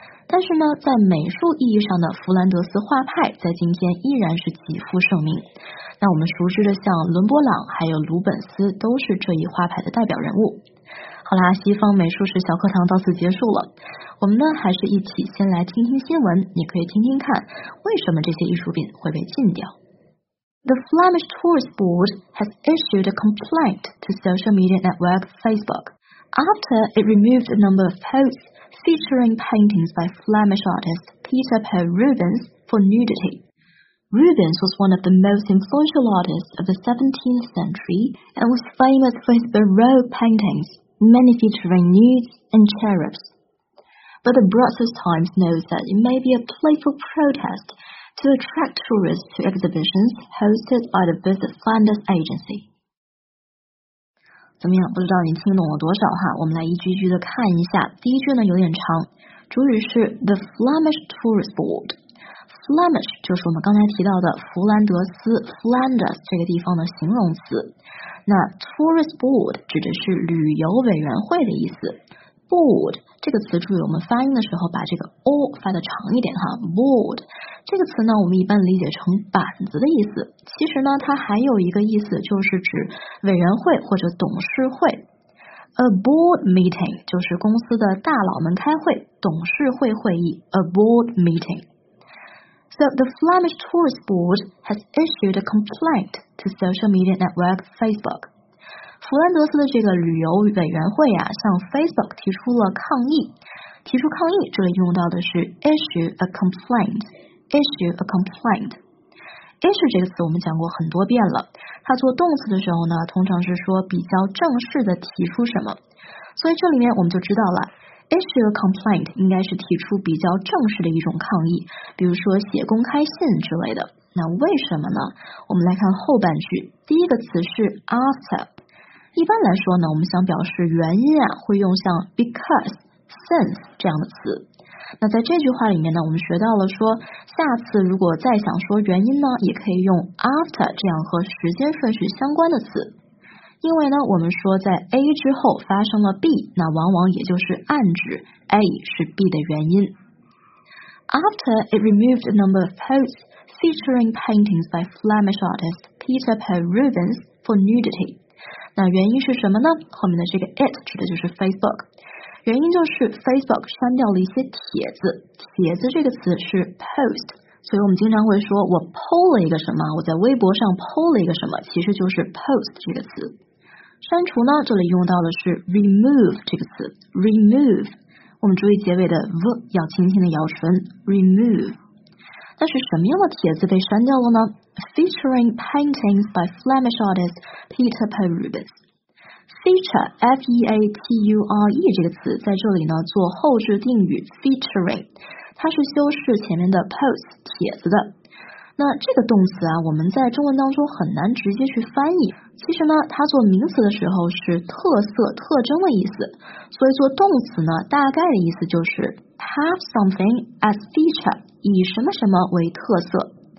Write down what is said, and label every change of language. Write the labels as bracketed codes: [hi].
[zh] 但是呢，在美术意义上的弗兰德斯画派在今天依然是极负盛名。那我们熟知的像伦勃朗还有鲁本斯都是这一画派的代表人物。好啦，西方美术史小课堂到此结束了，我们呢还是一起先来听听新闻，你可以听听看为什么这些艺术品会被禁掉。 [en] The Flemish Tourist Board has issued a complaint to social media network Facebook after it removed a number of posts featuring paintings by Flemish artist Peter Paul Rubens for nudity. Rubens was one of the most influential artists of the 17th century and was famous for his Baroque paintings, many featuring nudes and cherubs. But the Brussels Times notes that it may be a playful protestto attract tourists to exhibitions hosted by the Visit Flanders Agency. [zh] 怎么样，不知道你听懂了多少哈，我们来一句一句的看一下。第一句呢有点长，主语是 The Flemish Tourist Board。 Flemish 就是我们刚才提到的弗兰德斯 Flanders 这个地方的形容词，那 Tourist Board 指的是旅游委员会的意思。 Board 这个词，注意我们发音的时候把这个 o 发的长一点哈。 Board 这个词呢，我们一般理解成板子的意思，其实呢它还有一个意思，就是指委员会或者董事会。 [en] A board meeting [zh] 就是公司的大佬们开会，董事会会议， A board meeting. [en] So the Flemish Tourist Board has issued a complaint to social media network Facebook. [zh] 弗兰德斯的这个旅游委员会啊，向 Facebook 提出了抗议。提出抗议，这里用到的是 [en] issue a complaint。 issue a complaint。 [zh] issue 这个词我们讲过很多遍了，它做动词的时候呢，通常是说比较正式的提出什么。所以这里面我们就知道了 ， [en] issue a complaint [zh] 应该是提出比较正式的一种抗议，比如说写公开信之类的。那为什么呢？我们来看后半句，第一个词是 after。一般来说呢，我们想表示原因啊，会用像 because、since 这样的词。那在这句话里面呢，我们学到了说，下次如果再想说原因呢，也可以用 after 这样和时间顺序相关的词。因为呢，我们说在 A 之后发生了 B， 那往往也就是暗指 A 是 B 的原因。 [en] After it removed a number of posts featuring paintings by Flemish artist Peter Paul Rubens for nudity. [zh] 那原因是什么呢？后面的这个 it 指的就是 Facebook， 原因就是 Facebook 删掉了一些帖子。帖子这个词是 post， 所以我们经常会说我 po 了一个什么，我在微博上 po 了一个什么，其实就是 post 这个词。删除呢，这里用到的是 remove 这个词。remove， 我们注意结尾的 v 要轻轻的咬唇， remove。那是什么样的帖子被删掉了呢？ [en] Featuring paintings by Flemish artist Peter Paul Rubens. [zh] Feature, F-E-A-T-U-R-E 这个词在这里呢做后置定语 featuring， 它是修饰前面的 post 帖子的。那这个动词啊，我们在中文当中很难直接去翻译，其实呢它做名词的时候是特色特征的意思，所以做动词呢大概的意思就是 [en] have something as feature， [zh] 以什么什么为特色。